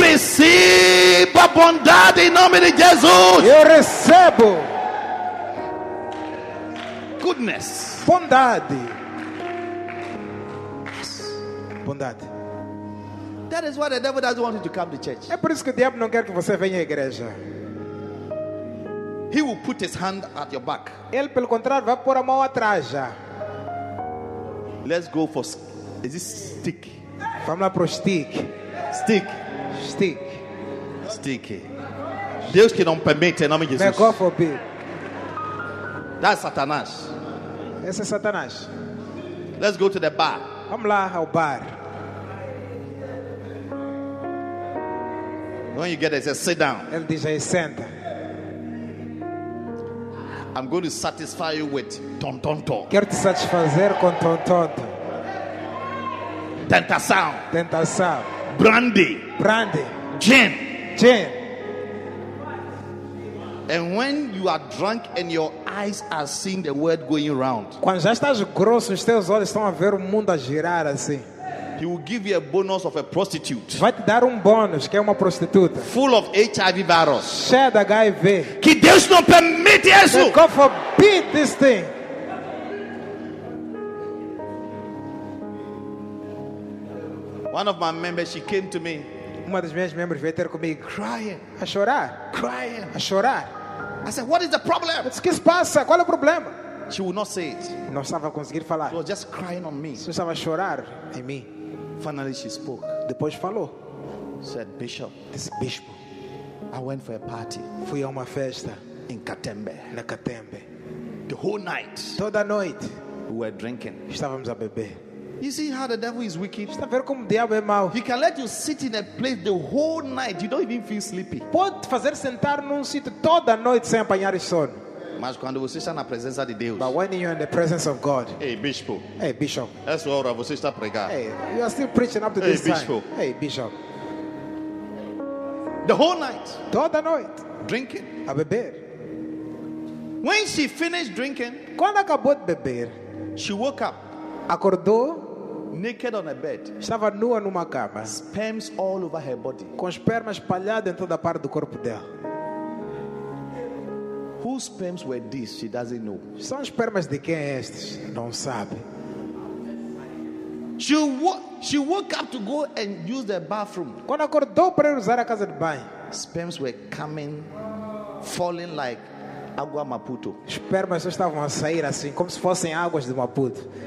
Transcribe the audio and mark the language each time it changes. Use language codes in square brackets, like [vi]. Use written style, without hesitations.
[pt] Receba a bondade em nome de Jesus. Eu recebo. [en] Goodness. [pt] Bondade. Bondade. [en] That is why the devil doesn't want you to come to church. [pt] É por isso que o diabo não quer que você venha à igreja. [en] He will put his hand at your back. [pt] Ele, pelo contrário, vai pôr a mão atrás já. [en] Let's go for is this stick? [pt] Vamos lá pro stick. [en] Stick. Stick. Stick. [pt] Deus que não permite, em nome de Jesus. [en] May God forbid. That's Satanás. [pt] Esse é Satanás. [en] Let's go to the bar. [pt] Vamos lá ao bar. [en] When you get there, say sit down. [pt] Ele diz aí, senta. [en] I'm going to satisfy you with ton ton ton. [pt] Quero te satisfazer com ton ton ton. Tentação. Tentação. [en] Brandy. Brandy. Gin. Gin. And when you are drunk and your eyes are seeing the world going round. [pt] Quando já estás grosso, os teus olhos estão a ver o mundo a girar assim. [en] He will give you a bonus of a prostitute. [pt] Vai te dar bônus que é uma prostituta. [en] Full of HIV virus. [pt] Cheia da HIV. Que Deus não permite isso. [en] God forbid this thing. One of my members, she came to me. [pt] Uma das minhas membros veio ter comigo, [en] crying, [pt] a chorar, [en] crying, [pt] a chorar. [en] I said, what is the problem? [pt] O que se passa? Qual é o problema? [en] She would not say it. [pt] Não estava a conseguir falar. [en] She was just crying on me. [pt] Só estava a chorar em mim. [en] Finally, she spoke. [pt] Depois falou. [en] Said, Bishop. [pt] Disse, Bispo. [en] I went for a party. [pt] Fui a uma festa. [en] In Katembe. [pt] Na Katembe. [en] The whole night. [pt] Toda noite. [en] We were drinking. [pt] Estávamos a beber. [en] You see how the devil is wicked? [pt] Está a ver como o diabo é mau. [en] He can let you sit in a place the whole night. You don't even feel sleepy. [pt] Pode fazer sentar num sítio toda noite sem apanhar sono. Mas quando você está na presença de Deus. [en] But when you're in the presence of God. [pt] Hey, Bispo. [en] Hey, Bishop. [pt] Essa hora você está pregando. [en] Hey, you are still preaching up to hey, this [pt] Bispo. [en] Time. Hey, Bishop. The whole night. [pt] Toda noite. [en] Drinking. [pt] A beber. [en] When she finished drinking. [pt] Quando acabou de beber. [en] She woke up. [pt] Acordou. [en] Naked on a bed. [pt] Estava nua numa cama. [en] Sperms all over her body. [pt] Com esperma espalhado em toda a parte do corpo dela. [en] Whose sperms were these? She doesn't know. [pt] São espermas de quem estes? Não sabe. [en] She woke up to go and use the bathroom. [pt] Quando acordou para ir usar a casa de banho, [en] sperms were coming, falling like [pt] água Maputo. Espermas estavam a sair assim, como se fossem águas de Maputo.